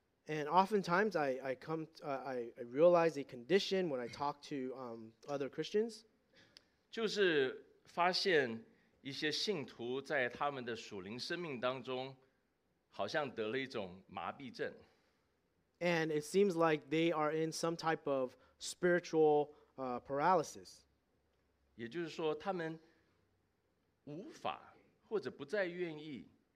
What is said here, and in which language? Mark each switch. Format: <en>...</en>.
<en>And oftentimes I realize a condition when I talk to other Christians.</en> <zh>就是发现一些信徒在他们的属灵生命当中好像得了一种麻痹症。</zh> <en>And it seems like they are in some type of spiritual paralysis.</en> <zh>也就是说，他们无法或者不再愿意</zh>